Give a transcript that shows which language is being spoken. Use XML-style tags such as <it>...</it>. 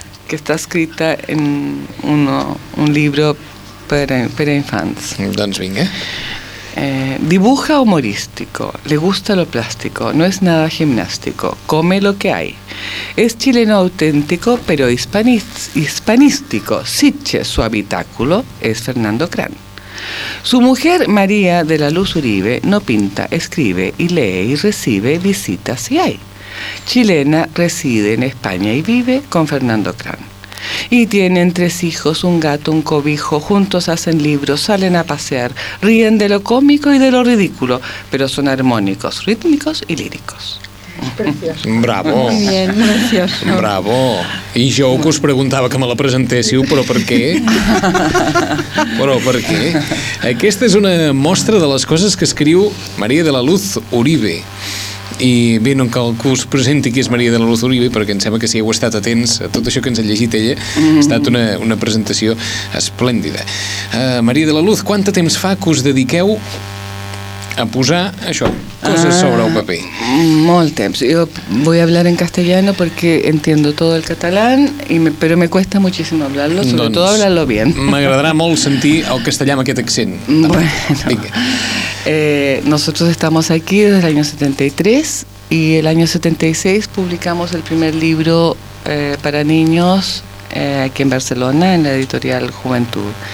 <ca>que està escrita en un libro per a infants. Doncs vinga.</ca> <es>Dibuja humorístico, le gusta lo plástico, no es nada gimnástico, come lo que hay. Es chileno auténtico, pero hispanístico, siche su habitáculo, es Fernando Crán. Su mujer, María de la Luz Uribe, no pinta, escribe y lee y recibe visitas si hay. Chilena reside en España y vive con Fernando Crán. Y tienen tres hijos, un gato, un cobijo, juntos hacen libros, salen a pasear, ríen de lo cómico y de lo ridículo, pero son armónicos, rítmicos y líricos. Precioso. Bravo. Muy bien, gracias. Bravo.</es> <ca>I jo que us preguntava que me la presentéssiu, però per què? Però per què? Aquesta és una mostra de les coses que escriu Maria de la Luz Uribe. I bé, no cal que us presenti qui és Maria de la Luz Uribe, perquè em sembla que si heu estat atents a tot això que ens ha llegit ella, mm-hmm. ha estat una presentació esplèndida. Maria de la Luz, quant de temps fa que us dediqueu a posar això, coses sobre el paper? Molt temps. Jo vull</ca> <es>hablar en castellano perquè entiendo todo el catalán, però me cuesta muchísimo hablarlo, sobretot</es> <ca>doncs,</ca> <es>hablarlo bien.</es> <ca>M'agradarà molt sentir el castellà amb aquest accent.</ca> <es>Bueno. Vinga. Nosotros estamos aquí desde el año 73 y el año 76 publicamos el primer libro para niños aquí en Barcelona, en la editorial Juventud.</es>